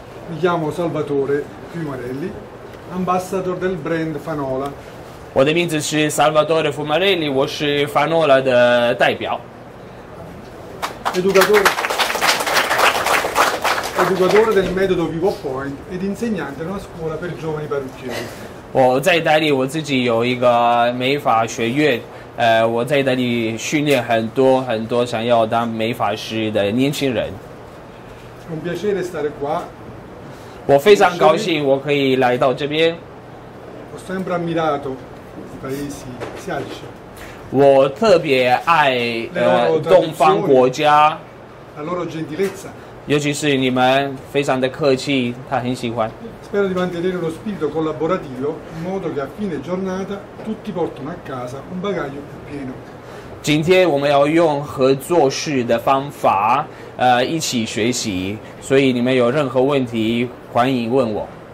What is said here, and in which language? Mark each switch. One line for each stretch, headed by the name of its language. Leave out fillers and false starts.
Italian: Mi chiamo Salvatore Fumarelli, ambassador del brand Fanola.
Chinese: 我的名字是 Salvatore Fumarelli, 我是 Fanola 的代表。
Italian: Educatore del metodo Vivo Point ed insegnante in una scuola per giovani parrucchieri.
Chinese: 我在意大利，我自己有一个美发学院。我在意大利训练很多很多想要当美发师的年轻人。
Italian: Un piacere stare qua.
Chinese: 我非常高兴我可以来到这边。
Italian: Ho sempre ammirato i paesi asiatici.
Chinese: 我特别爱东方国家。
Italian: La loro gentilezza.
Chinese: 尤其是你们非常的客气，他很喜欢。
Italian: Spero di mantenere lo spirito collaborativo in modo che a fine giornata tutti portino a casa un bagaglio più pieno。
Chinese: 今天我们要用合作式的方法，一起学习。所以你们有任何问题，欢迎问我。